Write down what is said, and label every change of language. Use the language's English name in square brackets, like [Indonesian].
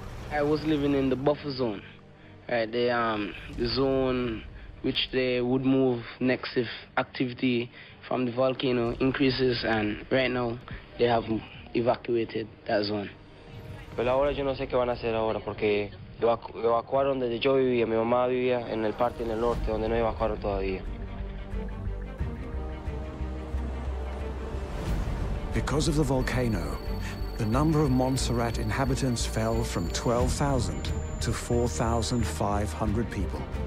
[English] I was living in the buffer zone, right? The zone which they would move next if activity from the volcano increases, and right now they have evacuated that zone. [Spanish] Pero ahora yo no sé qué van a hacer ahora porque evacuaron donde yo vivía, mi mamá vivía en el parte en el norte donde no evacuaron todavía. [English] Because of the volcano, the number of Montserrat inhabitants fell from 12,000 to 4,500 people.